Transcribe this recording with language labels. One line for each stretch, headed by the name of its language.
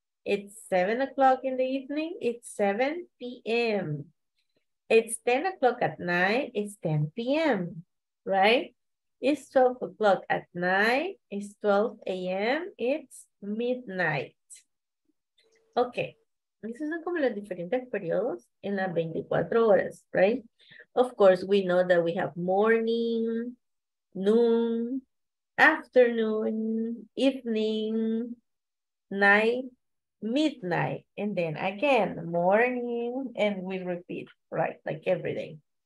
English: It's 7 o'clock in the evening, it's 7 p.m. It's 10 o'clock at night, it's 10 p.m., right? It's 12 o'clock at night, it's 12 a.m., it's midnight.
Spanish: Okay, estos son como los diferentes periodos en las 24 horas, right?
English: Of course, we know that we have morning, noon, afternoon, evening, night, midnight, and then again, morning, and we repeat, right, like every day.